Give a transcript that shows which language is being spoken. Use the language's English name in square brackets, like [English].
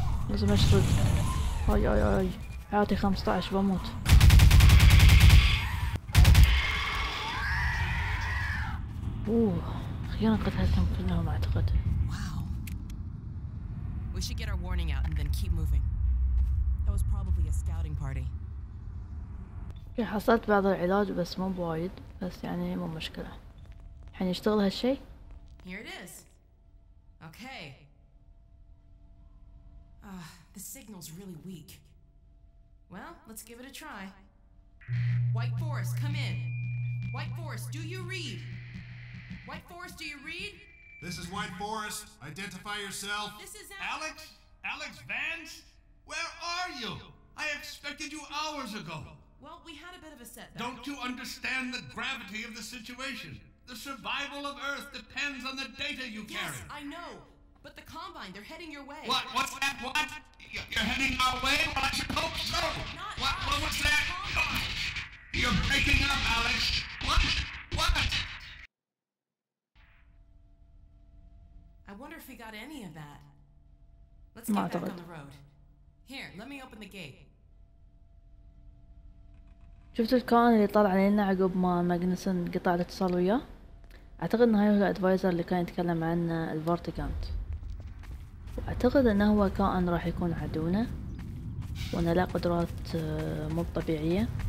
[Arabic] لازم اشرد. هاي هاي هاي حياتي 15 بموت. اوه خيانة قتلتهم كلهم اعتقد. [English] We should get our warning out and then keep moving. That was probably a scouting party. [Arabic] حصلت بعض العلاج بس مو بوايد، بس يعني مو مشكلة. الحين يشتغل هالشي؟ [English] Here it is. Okay. The signal's really weak. Well, let's give it a try. White Forest, come in. White Forest, do you read? White Forest, do you read? This is White Forest. Identify yourself. This is Alex. Alex Vance? Where are you? I expected you hours ago. Well, we had a bit of a setback. Don't you understand the gravity of the situation? The survival of Earth depends on the data you carry. Yes, I know. But the Combine, they're heading your way. What? What's that? What? You're heading our way? Well, I should hope so. What? What was that? You're breaking up, Alex. What? What? I wonder if we got any of that. Let's get back on the road. Here, let me open the gate. [Arabic] شفت الكائن اللي طلع علينا عقب ما ماجنسون قطع الاتصال وياه؟ اعتقد ان هاي هو الادفايزر اللي كان يتكلم عنه الفورتيكانت، واعتقد انه هو كائن راح يكون عدونا وانه له قدرات مو طبيعية.